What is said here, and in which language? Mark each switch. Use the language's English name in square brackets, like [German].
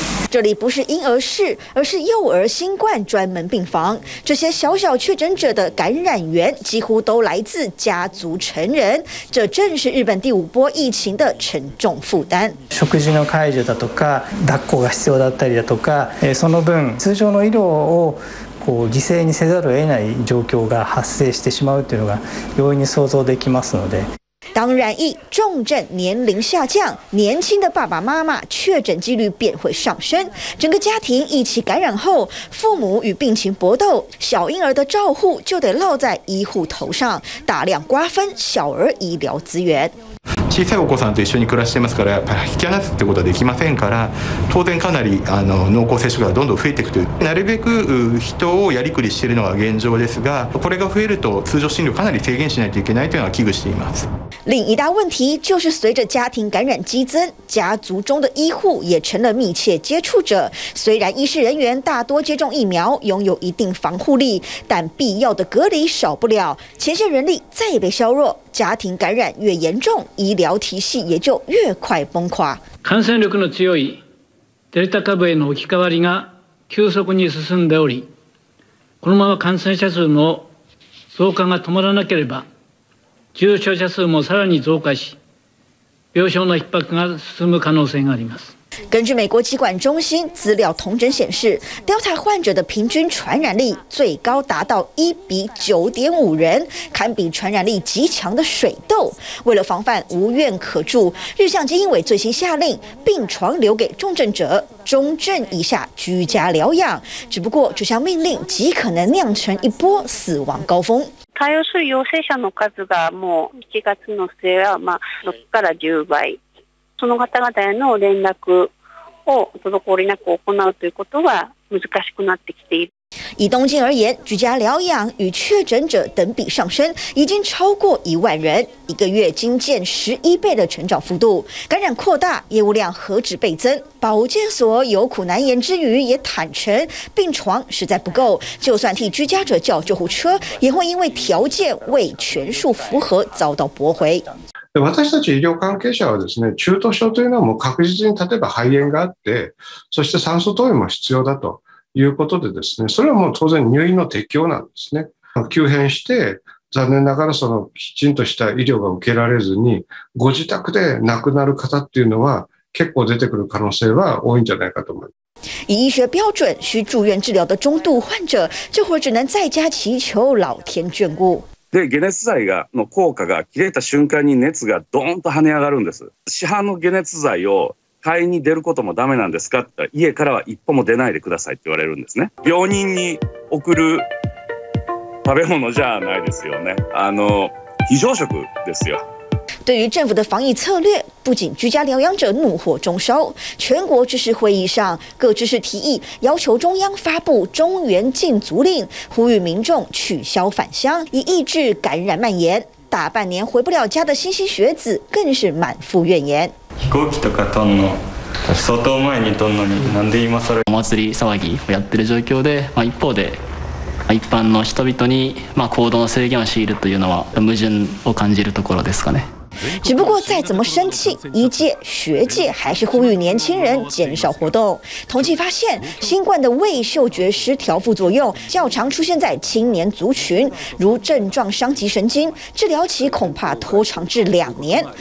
[Chinese] 这里不是婴儿室，而是幼儿新冠专门病房。这些小小确诊者的感染源几乎都来自家族成人，这正是日本第五波疫情的沉重负担。 [Japanese] 食事の介助だとか、抱っこが必要だったりだとか、その分通常の医療を犠牲にせざるを得ない状況が発生してしまうというのが容易に想像できますので。 [Chinese] 当然一重症年龄下降，年轻的爸爸妈妈确诊几率便会上升，整个家庭一起感染后，父母与病情搏斗，小婴儿的照护就得落在医护头上，大量瓜分小儿医疗资源。 [Japanese] 小さいお子さんと一緒に暮らしていますから、やっぱり引き離すってことはできませんから、当然かなり濃厚接触がどんどん増えていくという、なるべく人をやりくりしているのが現状ですが、これが増えると通常診療かなり制限しないといけないというのは危惧しています。 [Chinese] 另一大问题就是随着家庭感染激增，家族中的医护也成了密切接触者。虽然医师人员大多接种疫苗，拥有一定防护力，但必要的隔离少不了，前线人力再被削弱，家庭感染越严重，医疗体系也就越快崩垮。 [Japanese] 感染力の強いデルタ株への置き換わりが急速に進んでおり、このまま感染者数の増加が止まらなければ。重症者数もさらに増加し、病床の逼迫が進む可能性があります。 [Chinese] 根据美国疾管中心资料统整显示 ，Delta 患者的平均传染力最高达到1:9.5人，堪比传染力极强的水痘。为了防范无院可住，日向基因委最新下令，病床留给重症者，中症以下居家疗养。只不过，这项命令极可能酿成一波死亡高峰。 [Japanese] 対応する陽性者の数がもう1月の末は6から10倍、その方々への連絡を滞りなく行うということは難しくなってきている。 [Chinese] 以东京而言，居家疗养与确诊者等比上升，已经超过10,000人，一个月经见11倍的成长幅度。感染扩大，业务量何止倍增？保健所有苦难言之余，也坦诚病床实在不够，就算替居家者叫救护车，也会因为条件未全数符合遭到驳回。 [Japanese] 私たち医療関係者はですね、中等症というのはもう確実に例えば肺炎があって、そして酸素投与も必要だと。いうことでですね、それはもう当然入院の適用なんですね。急変して、残念ながらそのきちんとした医療が受けられずに、ご自宅で亡くなる方っていうのは結構出てくる可能性は多いんじゃないかと思います。 [Chinese] 以医学标准，需住院治疗的中度患者，这会只能在家祈求老天眷顾。 [Japanese] で、解熱剤の効果が切れた瞬間に熱がドーンと跳ね上がるんです。市販の解熱剤を買いに出ることもダメなんですか？家からは一歩も出ないでくださいって言われるんですね。病人に送る食べ物じゃないですよね。非常食ですよ。 [Chinese] 对于政府的防疫策略，不仅居家疗养者怒火中烧，全国知事会议上，各知事提议要求中央发布中原禁足令，呼吁民众取消返乡，以抑制感染蔓延。大半年回不了家的莘莘学子更是满腹怨言。 [Japanese] 飛行機とか飛んの、相当前に飛んのに、なんで今それ、お祭り騒ぎをやってる状況で、一方で、一般の人々に行動の制限を強いるというのは、矛盾を感じるところですかね。 [Chinese] 只不过再怎么生气，医界、学界还是呼吁年轻人减少活动。统计发现，新冠的味嗅觉失调副作用较常出现在青年族群，如症状伤及神经，治疗期恐怕拖长至2年。